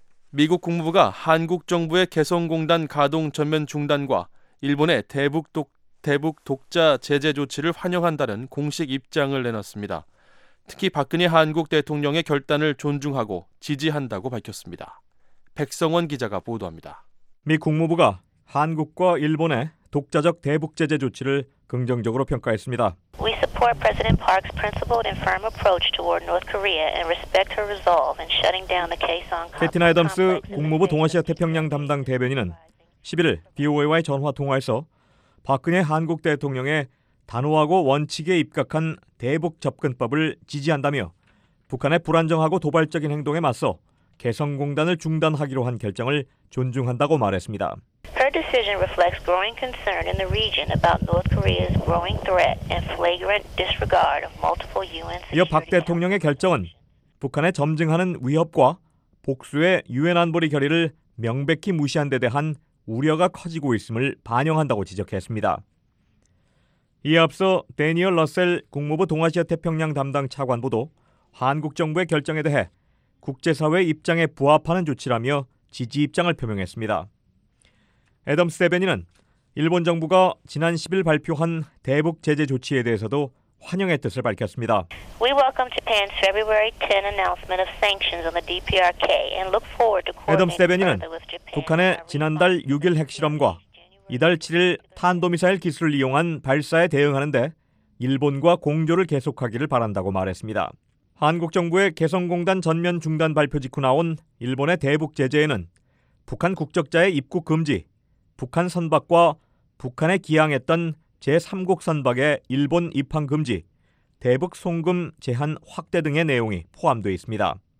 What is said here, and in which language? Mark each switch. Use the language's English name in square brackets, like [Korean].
[Korean] 미국 국무부가 한국 정부의 개성공단 가동 전면 중단과 일본의 대북 독자 제재 조치를 환영한다는 공식 입장을 내놨습니다. 특히 박근혜 한국 대통령의 결단을 존중하고 지지한다고 밝혔습니다. 백성원 기자가 보도합니다. 미 국무부가 한국과 일본의 독자적 대북 제재 조치를 긍정적으로 평가했습니다. [English] We support President Park's principled and firm approach toward North Korea and respect her resolve in shutting down the case on. [Korean] 캐티나 애덤스 국무부 동아시아 태평양 담당 대변인은 11일 BOA와의 전화 통화에서 박근혜 한국 대통령의 단호하고 원칙에 입각한 대북 접근법을 지지한다며 북한의 불안정하고 도발적인 행동에 맞서 개성공단을 중단하기로 한 결정을 존중한다고 말했습니다. [English] Her decision reflects growing concern in the region about North Korea's growing threat and flagrant disregard of multiple UN. [Korean] 이어 박 대통령의 결정은 북한의 점증하는 위협과 복수의 유엔 안보리 결의를 명백히 무시한 데 대한 우려가 커지고 있음을 반영한다고 지적했습니다. 이에 앞서 대니얼 러셀 국무부 동아시아 태평양 담당 차관보도 한국 정부의 결정에 대해 국제사회 입장에 부합하는 조치라며 지지 입장을 표명했습니다. 애덤스 대변인은 일본 정부가 지난 10일 발표한 대북 제재 조치에 대해서도 환영의 뜻을 밝혔습니다. [English] We welcome Japan's February 10 announcement of sanctions on the DPRK and look forward to. [Korean] 애덤스 대변인은 북한의 지난달 6일 핵실험과 이달 7일 탄도미사일 기술을 이용한 발사에 대응하는데 일본과 공조를 계속하기를 바란다고 말했습니다. 한국 정부의 개성공단 전면 중단 발표 직후 나온 일본의 대북 제재에는 북한 국적자의 입국 금지, 북한 선박과 북한에 기항했던 제3국 선박의 일본 입항 금지, 대북 송금 제한 확대 등의 내용이 포함되어 있습니다.